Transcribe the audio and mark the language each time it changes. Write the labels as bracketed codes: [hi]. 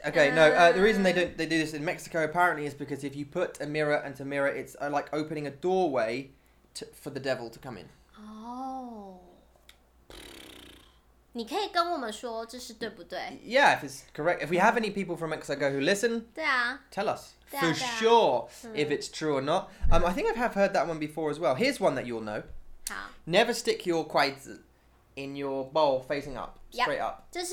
[en] Okay, no, the reason they do this in Mexico apparently is because if you put a mirror into a mirror, it's like opening a doorway for the devil to come in. Oh. [zh] 你可以跟我们说这是对不对? [en] Yeah, if it's correct. If we have any people from Mexico who listen, [zh] 对啊, [en] tell us [zh] 对啊, [en] for [zh] 对啊, [en] sure、嗯、if it's true or not.、嗯、I think I have heard that one before as well. Here's one that you'll know. [zh] 好 [en] Never stick your 筷子 in your bowl facing up, straight up.